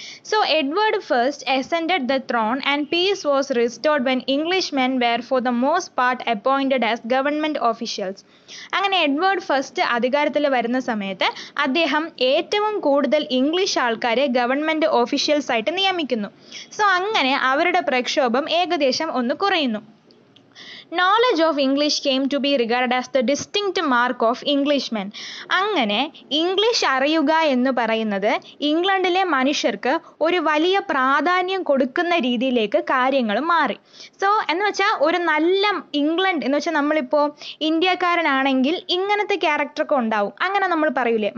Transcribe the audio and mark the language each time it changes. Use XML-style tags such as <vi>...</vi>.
<en>So Edward first ascended the throne and peace was restored when English men were for the most part appointed as government officials.</en> <ml>അങ്ങനെ Edward first അധികാരത്തിൽ വരുന്ന സമയത്ത് അദ്ദേഹം ഏറ്റവും കൂടുതൽ English ആൾക്കാരെ government officials ആയിട്ട് നിയമിക്കുന്നു. സോ അങ്ങനെ അവരുടെ പ്രക്ഷോഭം ഏകദേശം ഒന്ന് കുറയുന്നു.</ml> <en>Knowledge of English came to be regarded as the distinct mark of Englishmen.</en> <ml>അങ്ങനെ ഇംഗ്ലീഷ് അറിയുക എന്ന് പറയുന്നത് ഇംഗ്ലണ്ടിലെ മനുഷ്യർക്ക് ഒരു വലിയ പ്രാധാന്യം കൊടുക്കുന്ന രീതിയിലേക്ക് കാര്യങ്ങൾ മാറി. സോ എന്ന് വെച്ചാൽ ഒരു നല്ല ഇംഗ്ലണ്ട് എന്ന് വെച്ചാൽ നമ്മളിപ്പോൾ ഇന്ത്യക്കാരനാണെങ്കിൽ ഇങ്ങനത്തെ ക്യാരക്ടറൊക്കെ ഉണ്ടാവും, അങ്ങനെ നമ്മൾ പറയൂലേ.</ml>